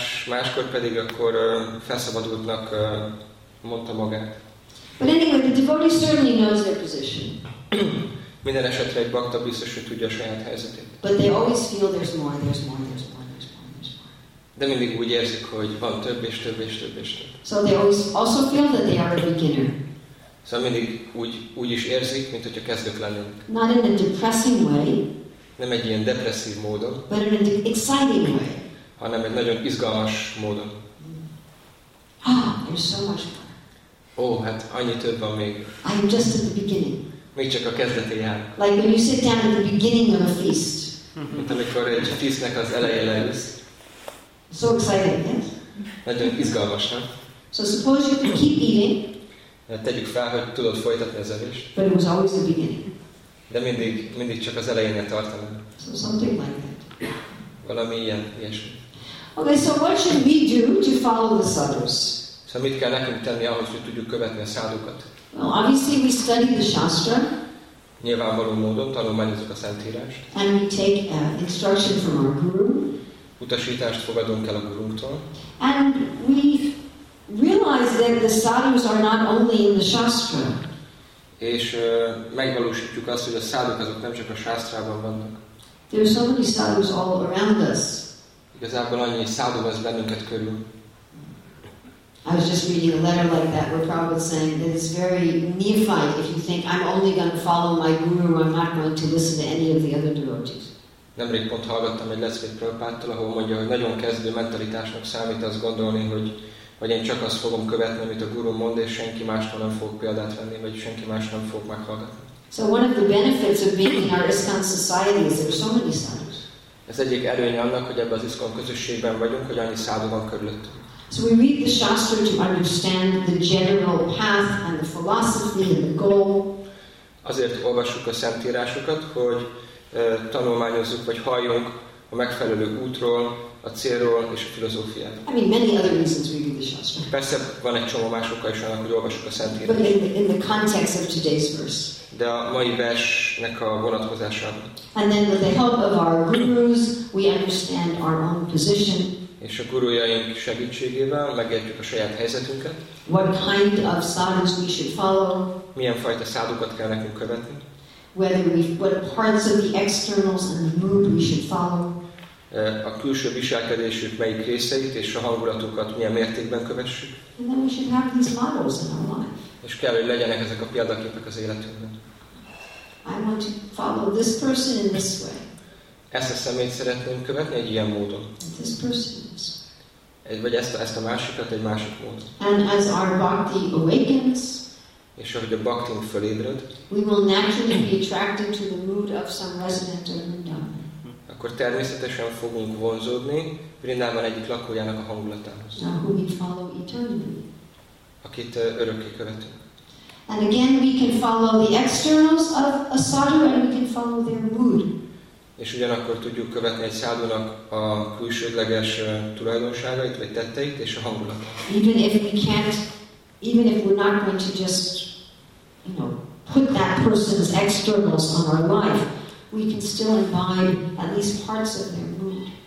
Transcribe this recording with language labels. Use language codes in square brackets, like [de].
[hu] Máskor pedig akkor felszabadultnak mondta magát. [en] But anyway, the devotee certainly knows their position. [hu] Minden esetre egy bhakta biztos, hogy tudja a saját helyzetét. [en] But they always feel there's more, there's more, there's more, there's more, there's more. [hu] De mindig úgy érzik, hogy van több és több és több és több. [en] So they always also feel that they are a beginner. [hu] Szóval mindig úgy is érzik, mint hogyha kezdők lennünk. [en] Not in a depressing way. [hu] Nem egy ilyen depresszív módon. [en] But in an exciting way. [hu] Hanem egy nagyon izgalmas módon. [en] Ah, there's so much more. [hu] Oh, hát annyi több van még. [en] I am just at the beginning. [hu] Még csak a kezdetén jár. [en] Like when you sit down at the beginning of a feast. [hu] Mint amikor egy tisztnek az elején leülsz. [en] So exciting, yes? [hu] Nagyon izgalmas, nem? [en] So suppose you could keep eating. [hu] Tegyük fel, hogy tudod folytatni az evést. [en] But it was always the beginning. [hu] De mindig csak az elején tartani. [en] So something like that. [hu] Valami ilyen, ilyesmi. [en] Okay, so what should we do to follow the sadhus? [hu] So mit kell nekünk tenni ahhoz, hogy tudjuk követni a sadhukat? [en] Well, obviously we study the shastra. [hu] Nyilvánvaló módon tanulmányozunk a Szentírást. [en] And we take instruction from our guru. [hu] Utasítást fogadunk el a gurunktól. [en] And we realize that the sadhus are not only in the shastra. [hu] És megvalósítjuk azt, hogy a sadhuk azok nem csak a sastrában vannak. [en] There are so many sadhus all around us. [hu] Igazából annyi sadhu vesz bennünket körül. [en] I was just reading a letter like that where Prabhupada saying that it's very neophyte if you think I'm only going to follow my guru, I'm not going to listen to any of the other devotees. [hu] Nemrég pont hallgattam egy leszvét Prabhupádtól, ahol mondja, hogy nagyon kezdő mentalitásnak számít azt gondolni, hogy én csak azt fogom követni, amit a guru mond, és senki másra nem fog példát venni, vagy senki más nem fog meghallgatni. [en] So one of the benefits of being in our ISKCON society is there's so many sadhus. [hu] Ez egyik erőnye annak, hogy ebben az ISKCON közösségben vagyunk, hogy annyi sadhu van körülöttünk. [en] So we read the shastra to understand the general path and the philosophy and the goal. [hu] Azért olvassuk a szentírásokat, hogy tanulmányozzuk, vagy halljunk a megfelelő útról, a célról és a filozófiát. [en] I mean, many other reasons we read the shastra. [hu] Persze van egy csomó más oka is annak, hogy olvassuk a szentírást. [en] But in the context of today's verse. [hu] De a mai versnek a vonatkozásában. [en] And then with the help of our gurus, we understand our own position. [hu] És a gurujaink segítségével megértjük a saját helyzetünket. [en] What kind of sadhus we should follow. [hu] Milyen fajta sadhukat kell nekünk követni. [en] What parts of the externals and the mood we should follow. [hu] A külső viselkedésük melyik részeit és a hangulatukat milyen mértékben kövessük. [en] And then we should have these models in our life. [hu] És kell, hogy legyenek ezek a példaképek az életünkben. [en] I want to follow this person in this way. [hu] Ezt a személyt szeretném követni egy ilyen módon. [en] This person is. [hu] Vagy ezt a másikat egy másik módon. [en] And as our bhakti awakens, [hu] és ahogy a bhaktink fölébred, [en] we will naturally be attracted to the mood of some resident of Vrindavan. [hu] Akkor természetesen fogunk vonzódni Vrindavan egyik lakójának a hangulatához. [en] Now who we follow eternally. [hu] Akit örökké követünk. [en] And again we can follow the externals of a sadhu and we can follow their mood. [hu] És ugyanakkor tudjuk követni egy sadhunak a külsődleges tulajdonságait vagy tetteit és a hangulatát. [en] Even if we can't, even if we're not going to just, put that person's externals on our life, we can still imbibe at least parts of their mood.